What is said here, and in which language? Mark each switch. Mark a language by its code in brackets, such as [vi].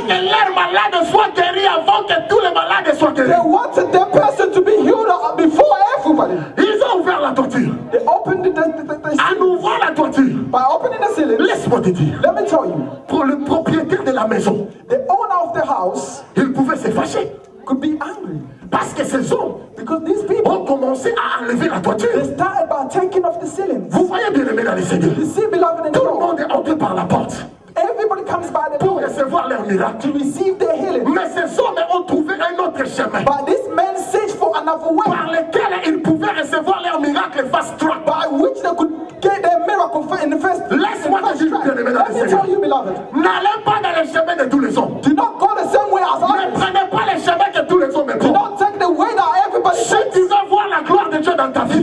[fr] Voulaient que leur malade soit guéri avant que tous les malades soient guéris. [en] They wanted their person to be healed before everybody. [fr] Ils ont ouvert la toiture. [en] They opened the [fr] ceiling. En ouvrant la toiture. [en] By opening the ceiling. [fr] Laisse-moi te dire. [en] Let me tell you. [fr] Pour le propriétaire de la maison. [en] The owner of the house. [fr] Il pouvait se fâcher. [en] Could be angry. [fr] Parce que ces hommes. [en] Because these people [fr] ont commencé à enlever la toiture. [en] They started by taking off the ceiling. [fr] Vous voyez bien aimé dans les seigneurs. [en] You see, beloved, [fr] tout le monde est entré par la porte. [en] Everybody comes by the [fr] pour recevoir leur miracle. [en] To receive their healing. [fr] Mais ces hommes ont trouvé un autre chemin. [en] But this man searched for another way. [fr] Par lequel ils pouvaient recevoir leur miracle fast track. [en] By which they could get their miracle in the first. [fr] Laisse-moi te dire bien aimé dans les seigneurs. [en] Let me tell you, beloved. [fr] N'allez pas dans le chemin de tous les hommes. [en] Do not go the same way as [fr] others. Ne prenez pas le chemin que tous les hommes prennent. Si tu veux voir la gloire de Dieu dans ta vie,